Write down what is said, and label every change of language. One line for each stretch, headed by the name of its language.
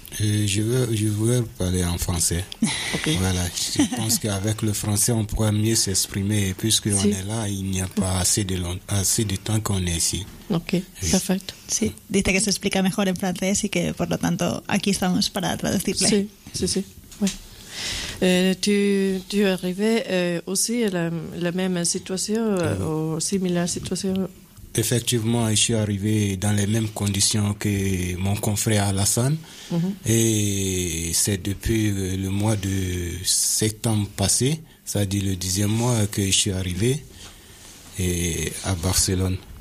French: Je veux parler en français. Okay. Voilà. Je pense qu'avec le français, on pourrait mieux s'exprimer. Et puisque on est là, il n'y a pas assez de temps qu'on est ici. Ok, oui. Perfecto.
Spanish: Sí, dice que se explica mejor en francés y que, por lo tanto, aquí estamos para traducirle. Sí. Ouais.
French: Tu es arrivé aussi à la même situation ou similaire situation? Effectivement, je suis arrivé dans les mêmes conditions que mon confrère Alassane. Mmh. Et c'est depuis le mois de septembre passé, c'est-à-dire le 10e mois, que je suis arrivé à Barcelone.